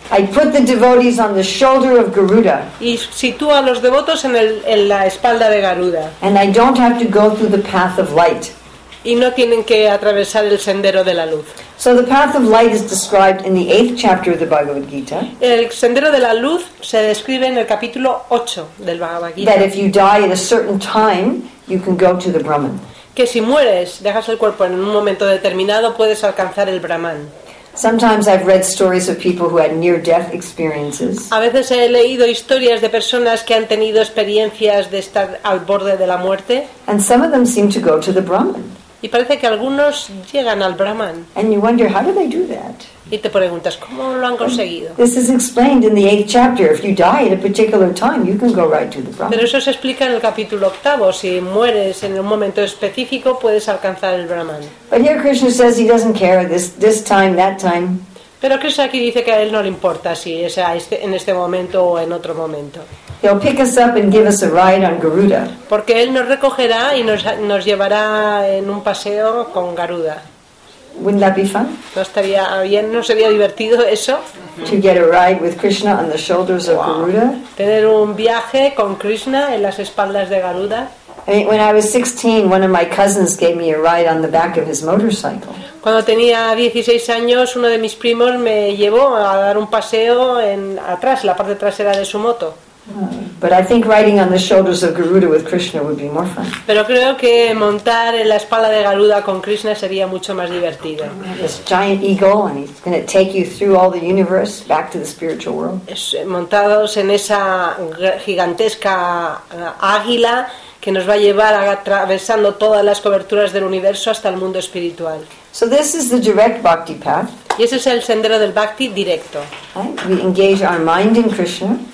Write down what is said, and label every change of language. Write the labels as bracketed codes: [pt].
[en] I put the devotees on the shoulder of Garuda. [es] Y sitúo a los devotos en la espalda de Garuda. [en] And I don't have to go through the path of light. [es] Y no tienen que atravesar el sendero de la luz. [en] So the path of light is described in the 8th chapter of the Bhagavad Gita. [es] El sendero de la luz se describe en el capítulo 8 del Bhagavad Gita. [en] That if you die at a certain time, you can go to the Brahman. [es] Que si mueres, dejas el cuerpo en un momento determinado, puedes alcanzar el Brahman. [en] Sometimes I've read stories of people who had near-death experiences. [es] A veces he leído historias de personas que han tenido experiencias de estar al borde de la muerte. [en] And some of them seem to go to the Brahman. [es] Y parece que algunos llegan al Brahman. [en] And you wonder, how do they do that? [es] Y te preguntas, ¿cómo lo han conseguido? [en] This is explained in the 8th chapter. If you die at a particular time, you can go right to the Brahman. [es] Pero eso se explica en el capítulo 8. Si mueres en un momento específico, puedes alcanzar el Brahman. [en] But here Krishna says he doesn't care this time, that time. [es] Pero Krishna aquí dice que a él no le importa si es en este momento o en otro momento. [en] He'll pick us up and give us a ride on Garuda. [es] Porque él nos recogerá y nos llevará en un paseo con Garuda. [en] Wouldn't that be fun? [es] ¿No estaría bien? ¿No sería divertido eso? [en] To get a ride with Krishna on the shoulders of Garuda. [es] Tener un viaje con Krishna en las espaldas de Garuda. [en] When I was 16, one of my cousins gave me a ride on the back of his motorcycle. [es] Cuando tenía 16 años, uno de mis primos me llevó a dar un paseo en atrás, la parte trasera de su moto. [en] But I think riding on the shoulders of Garuda with Krishna would be more fun. [es] Pero creo que montar en la espalda de Garuda con Krishna sería mucho más divertido. [en] This giant eagle, and he's going to take you through all the universe back to the spiritual world. [es] Montados en esa gigantesca águila que nos va a llevar atravesando todas las coberturas del universo hasta el mundo espiritual. [en] So this is the direct bhakti path. [es] Y ese es el sendero del bhakti directo. [en] We engage our mind in Krishna.